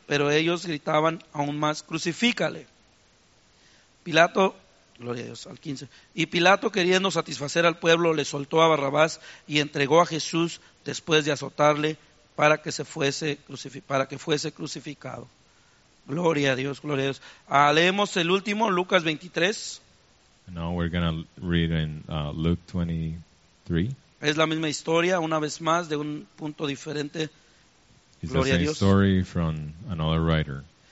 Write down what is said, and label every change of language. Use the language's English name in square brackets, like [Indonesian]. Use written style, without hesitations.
[Spanish] Pero ellos gritaban aún más, ¡crucifícale! Pilato, gloria a Dios, al 15. Y Pilato, queriendo satisfacer al pueblo, le soltó a Barrabás y entregó a Jesús después de azotarle para que se fuese, para que fuese crucificado. Gloria a Dios, gloria a Dios. Leemos el último, Lucas 23. [English] Now we're going to read in Luke 23. [Spanish] Es la misma historia, una vez más, de un punto diferente. [English] It's the same story from another writer.